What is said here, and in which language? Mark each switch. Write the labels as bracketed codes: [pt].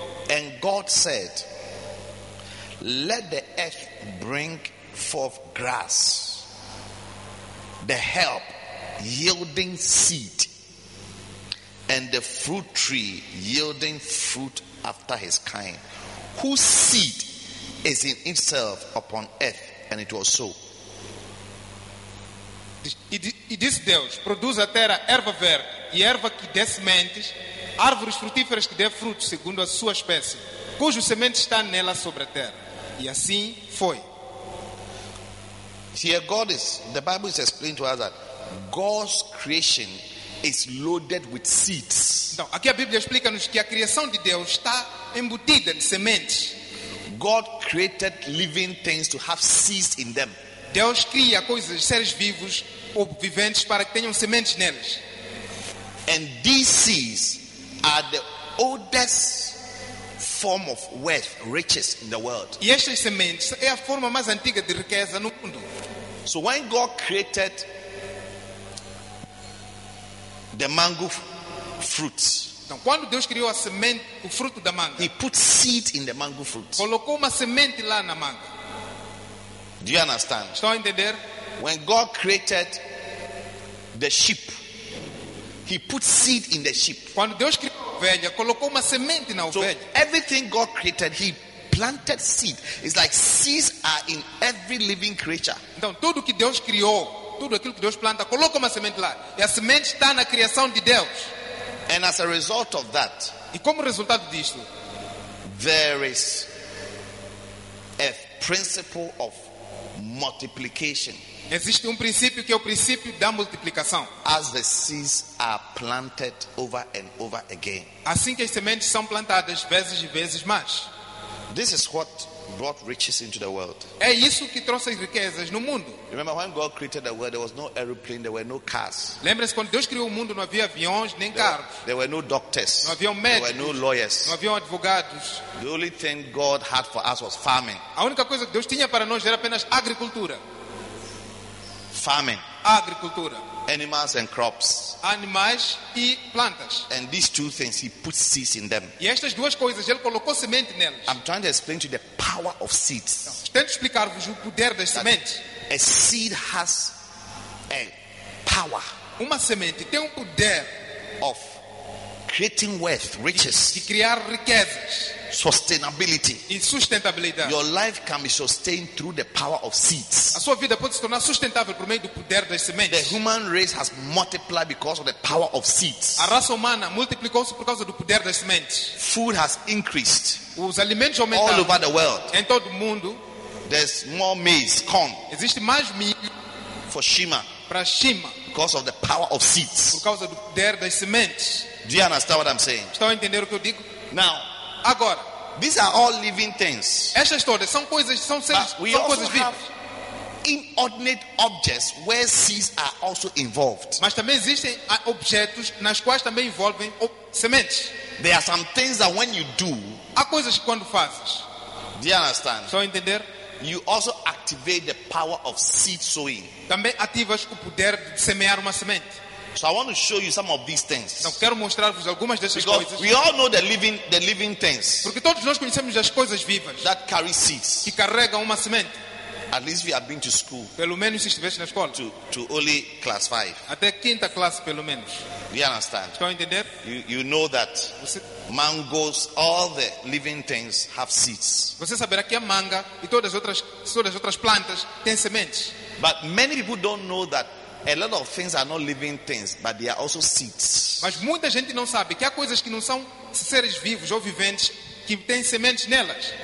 [en] And God said, let the earth bring forth grass, the herb yielding seed, and the fruit tree yielding fruit after his kind, whose seed is in itself upon earth. And it was so. [pt] E disse Deus, produz a terra erva verde e erva que dê sementes, árvores frutíferas que dê fruto segundo a sua espécie, cujo semente está nela sobre a terra. E assim foi. [en] See, God is, the Bible is explaining to us that God's creation is loaded with seeds. [pt] Então, aqui a Bíblia explica-nos que a criação de Deus está embutida de sementes. [en] God created living things to have seeds in them. [pt] Deus cria coisas, seres vivos ou viventes para que tenham sementes neles. [en] And these seeds are the oldest form of wealth, riches in the world. [pt] E estas sementes é a forma mais antiga de riqueza no mundo. [en] So when God created the mango fruits, [pt] então quando Deus criou a semente, o fruto da manga, [en] He put seed in the mango fruits. [pt] Colocou uma semente lá na manga. [en] Do you understand? [pt] Estão a entender? [en] When God created the sheep, He put seed in the sheep. [pt] Quando Deus criou a ovelha, colocou uma semente na ovelha. [en] So everything God created, He planted seed. It's like seeds are in every living creature. [pt] Então tudo que Deus criou, tudo aquilo que Deus planta, colocou uma semente lá. E a semente está na criação de Deus. [en] And as a result of that, [pt] e como resultado disto, [en] there is a principle of multiplication. [pt] Existe princípio que é o princípio da multiplicação. [en] As the seeds are planted over and over again. [pt] Assim que as sementes são plantadas vezes e vezes mais. [en] This is what brought riches into the world. [pt] É isso que trouxe as riquezas no mundo. [en] Remember when God created the world, there was no aeroplane, there were no cars. [pt] Lembra-se quando Deus criou o mundo, não havia aviões nem carros. [en] There were no doctors. [pt] Não havia médicos. [en] There were no lawyers. [pt] Não havia advogados. [en] The only thing God had for us was farming. [pt] A única coisa que Deus tinha para nós era apenas agricultura. [en] Farming. [pt] Agricultura. [en] Animals and crops. [pt] Animais e plantas. [en] And these two things, he put seeds in them. [pt] E estas duas coisas, ele colocou semente nelas. [en] I'm trying to explain to you the power of seeds. [pt] Tento explicar-vos o poder das sementes. [en] A seed has a power. [pt] Uma semente tem um poder [en] of creating wealth, riches. [pt] De criar riquezas. [en] Sustainability. [pt] E sustentabilidade. [en] Your life can be sustained through the power of seeds. [pt] A sua vida pode se tornar sustentável por meio do poder das sementes. [en] The human race has multiplied because of the power of seeds. [pt] A raça humana multiplicou-se por causa do poder das sementes. [en] Food has increased. [pt] Os alimentos aumentaram. [en] All over the world. [pt] Em todo o mundo. [en] There's more maize, corn. [pt] Existe mais milho. [en] For Shima. [pt] Para Shima. [en] Because of the power of seeds. [pt] Por causa do poder das sementes. [en] Do you understand what I'm saying? [pt] Estão a entender o que eu digo? [en] Now. [pt] Agora, [en] these are all living things. [pt] Estas todas são coisas, são seres, [en] we [pt] são [en] also [pt] coisas [en] have inordinate objects where seeds are also involved. [pt] Mas também existem objetos nas quais também envolvem sementes. [en] There are some things that when you do, [pt] há coisas que quando fazes. [en] Do you understand? [pt] Só entender? [en] You also activate the power of seed sowing. [pt] Também ativas o poder de semear uma semente. [en] So I want to show you some of these things. [pt] Não, quero mostrar-vos algumas dessas [en] because [pt] coisas. [en] We all know the living things. [pt] Porque todos nós conhecemos as coisas vivas. [en] That carry seeds. [pt] Que carregam uma semente. [en] At least we have been to school. [pt] Pelo menos estiveste na escola. [en] To only class 5. [pt] Até quinta classe pelo menos. [en] You understand? [pt] Estão a entender? [en] You know that mangoes, all the living things have seeds. [pt] Você saberá que a manga e todas as outras plantas têm sementes. [en] But many people don't know that a lot of things are not living things, but they are also seeds. [pt] Mas muita gente não sabe que há coisas que não são seres vivos ou viventes que têm sementes nelas.